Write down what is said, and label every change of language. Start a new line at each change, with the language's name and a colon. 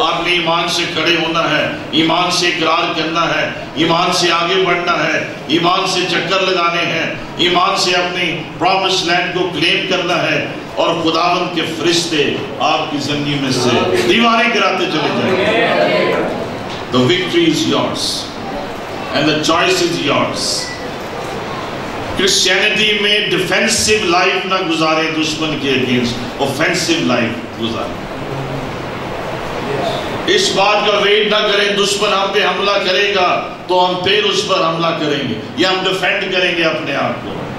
Urdu: آپ نے ایمان سے کھڑے ہونا ہے, ایمان سے اقرار کرنا ہے, ایمان سے آگے بڑھنا ہے, ایمان سے چکر لگانے ہیں, ایمان سے اپنی پرومس لینڈ کو کلیم کرنا ہے, اور خداوند کے فرشتے آپ کی زندگی میں سے دیواریں گراتے چلے جائیں.
English: The victory is yours and the choice is yours.
Urdu: Christianity میں ڈیفینسو لائف نہ گزارے, دشمن کے اگینسٹ اوفینسو لائف گزارے. اس بات کا ویٹ نہ کریں دشمن ہم پہ حملہ کرے گا تو ہم پھر اس پر حملہ کریں گے, یا ہم ڈیفینڈ کریں گے اپنے آپ کو.